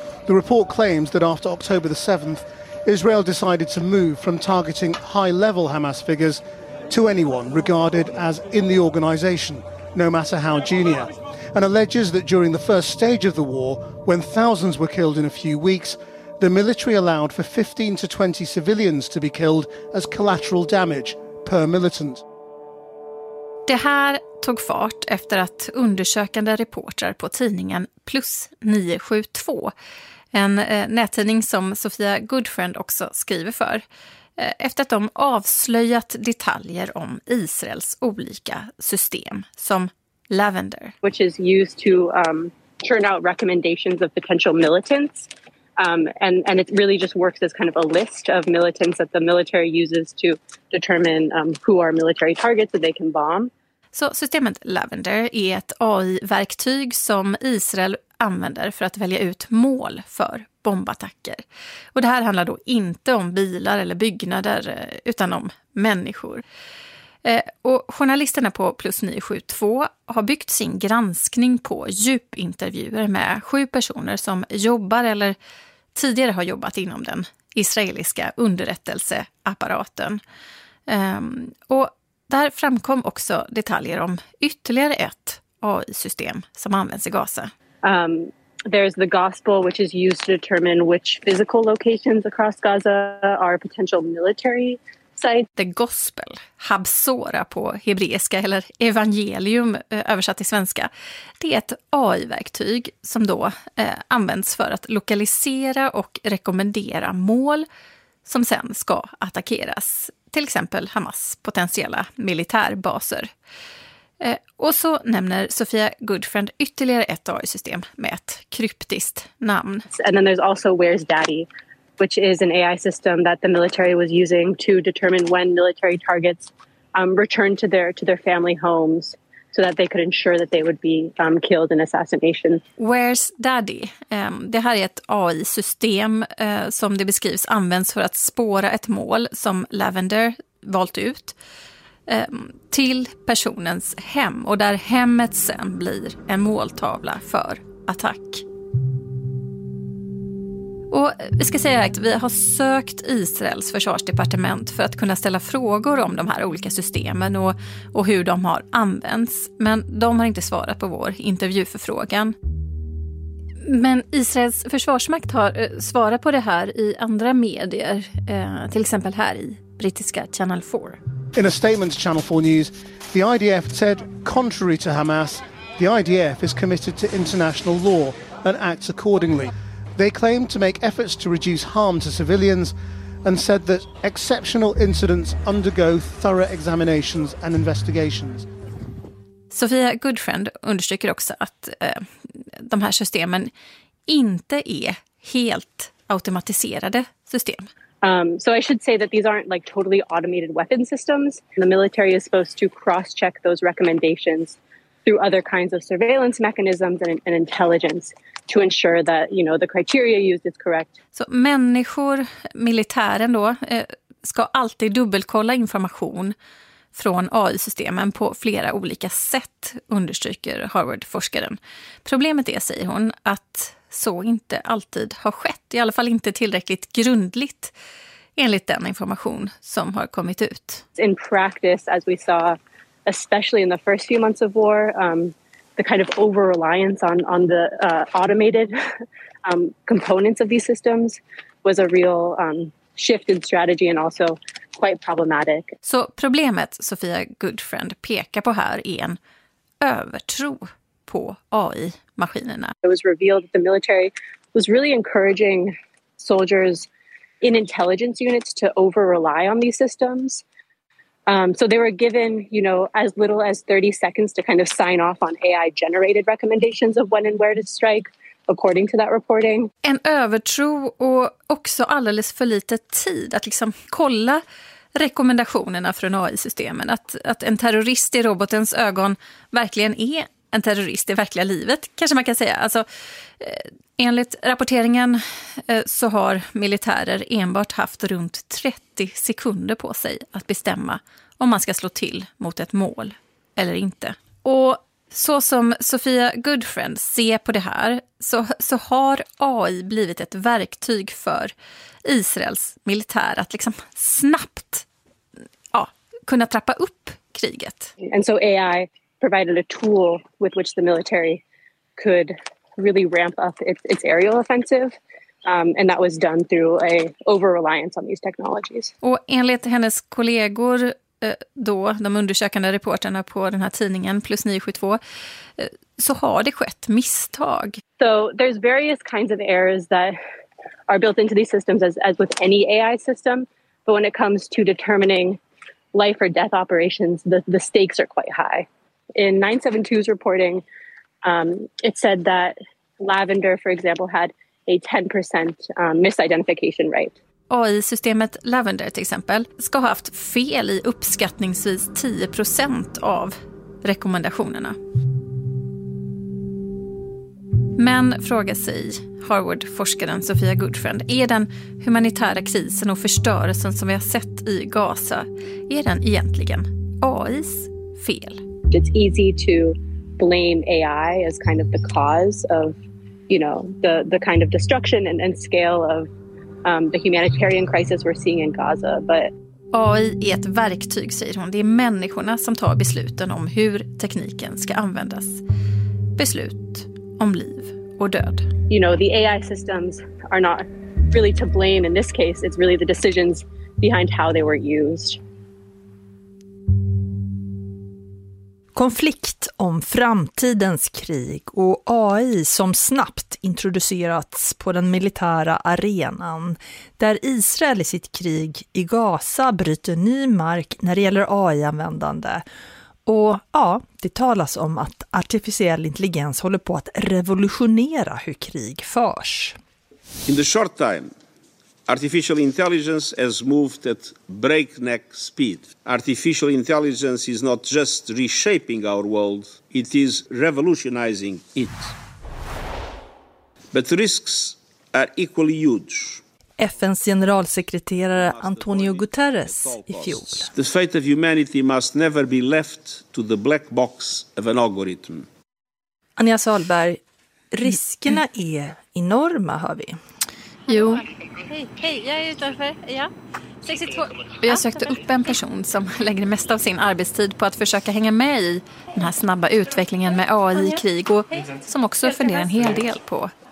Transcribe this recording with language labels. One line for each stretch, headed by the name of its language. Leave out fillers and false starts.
English: The report claims that after October the 7th, Israel decided to move from targeting high-level Hamas figures to anyone regarded as in the organization, no matter how junior, and alleges that during the first stage of the war, when thousands were killed in a few weeks, the military allowed for 15 to 20 civilians to be killed as collateral damage per militant.
Swedish: Det här tog fart efter att undersökande reportrar på tidningen Plus 972, en nättidning som Sofia Goodfriend också skriver för, efter att de avslöjat detaljer om Israels olika system som Lavender,
English: which is used to churn out recommendations of potential militants. And it really just works as kind of a list of militants that the military uses to determine who are military targets that they can bomb.
Swedish: Så systemet Lavender är ett AI-verktyg som Israel använder för att välja ut mål för bombattacker. Och det här handlar då inte om bilar eller byggnader utan om människor. Och journalisterna på Plus 972 har byggt sin granskning på djupintervjuer med 7 personer som jobbar eller tidigare har jobbat inom den israeliska underrättelseapparaten. Och där framkom också detaljer om ytterligare ett AI-system som används i Gaza.
English: There's the Gospel, which is used to determine which physical locations across Gaza are potential military sites.
Swedish: The Gospel, Habsora på hebreiska eller evangelium översatt till svenska. Det är ett AI-verktyg som då används för att lokalisera och rekommendera mål som sen ska attackeras. Till exempel Hamas potentiella militärbaser. Och så nämner Sofia Goodfriend ytterligare ett AI-system med ett kryptiskt namn.
English: And then there's also Where's Daddy, which is an AI system that the military was using to determine when military targets returned to their family homes so that they could ensure that they would be killed in assassination. Where's Daddy?
Swedish: Det här är ett AI-system som det beskrivs används för att spåra ett mål som Lavender valt ut till personens hem och där hemmet sen blir en måltavla för attack. Och vi ska säga att vi har sökt Israels försvarsdepartement för att kunna ställa frågor om de här olika systemen och hur de har använts, men de har inte svarat på vår intervjuförfrågan. Men Israels försvarsmakt har svarat på det här i andra medier, till exempel här i brittiska Channel 4.
English: In a statement to Channel 4 News, the IDF said, contrary to Hamas, the IDF is committed to international law and acts accordingly. They claimed to make efforts to reduce harm to civilians and said that exceptional incidents undergo thorough examinations and investigations.
Swedish: Sofia Goodfriend understryker också att de här systemen inte är helt automatiserade system.
English: So I should say that these aren't like totally automated weapon systems. The military is supposed to cross-check those recommendations through other kinds of surveillance mechanisms and intelligence to ensure that, you know, the criteria used is correct.
Swedish: Så människor, militären då, ska alltid dubbelkolla information från AI-systemen på flera olika sätt, understryker Harvard-forskaren. Problemet är, säger hon, att så inte alltid har skett, i alla fall inte tillräckligt grundligt enligt den information som har kommit ut.
English: In practice, as we saw, especially in the first few months of war, the kind of over-reliance on the automated components of these systems was a real shift in strategy and also quite problematic.
Swedish: Så problemet Sofia Goodfriend pekar på här är en övertro på AI-maskinerna.
English: It was revealed that the military was really encouraging soldiers in intelligence units to over-rely on these systems. So they were given, you know, as little as 30 seconds to kind of sign off on AI-generated recommendations of when and where to strike, according to that reporting.
Swedish: En övertro och också alldeles för lite tid att liksom kolla rekommendationerna från AI-systemen. Att en terrorist i robotens ögon verkligen är en terrorist i verkliga livet, kanske man kan säga. Alltså, enligt rapporteringen så har militärer enbart haft runt 30 sekunder på sig att bestämma om man ska slå till mot ett mål eller inte. Och så som Sofia Goodfriend ser på det här så har AI blivit ett verktyg för Israels militär att liksom snabbt kunna trappa upp kriget.
English: And so AI provided a tool with which the military could really ramp up its aerial offensive, and that was done through a over-reliance on these technologies.
Swedish: Och enligt hennes kollegor då, de undersökande reporterna på den här tidningen Plus 972, så har det skett misstag.
English: So there's various kinds of errors that are built into these systems as with any AI system, but when it comes to determining life or death operations, the stakes are quite high. In 972's reporting, it said that Lavender, for example, had a 10% misidentification rate.
Swedish: AI-systemet Lavender, till exempel, ska ha haft fel i uppskattningsvis 10% av rekommendationerna. Men, frågar sig Harvard-forskaren Sofia Goodfriend, är den humanitära krisen och förstörelsen som vi har sett i Gaza, är den egentligen AIs fel?
English: It's easy to blame AI as kind of the cause of, you know, the kind of destruction and scale of the humanitarian crisis we're seeing in Gaza. But
Swedish: AI är ett verktyg, säger hon. Det är människorna som tar besluten om hur tekniken ska användas. Beslut om liv och död.
English: You know, the AI systems are not really to blame in this case. It's really the decisions behind how they were used.
Swedish: Konflikt om framtidens krig och AI som snabbt introducerats på den militära arenan, där Israel i sitt krig i Gaza bryter ny mark när det gäller AI-användande. Och ja, det talas om att artificiell intelligens håller på att revolutionera hur krig förs.
English: In the short time, artificial intelligence has moved at breakneck speed. Artificial intelligence is not just reshaping our world, it is revolutionizing it. But risks are equally huge.
Swedish: FN:s generalsekreterare Antonio Guterres i fjol.
English: The fate of humanity must never be left to the black box of an algorithm.
Swedish: Anja Sahlberg, riskerna är enorma, hör vi. Jo. Hej, jag är utanför. Ja. 62. Jag sökte upp en person som lägger det mesta av sin arbetstid på att försöka hänga med i den här snabba utvecklingen med AI-krig och som också funderar en hel del på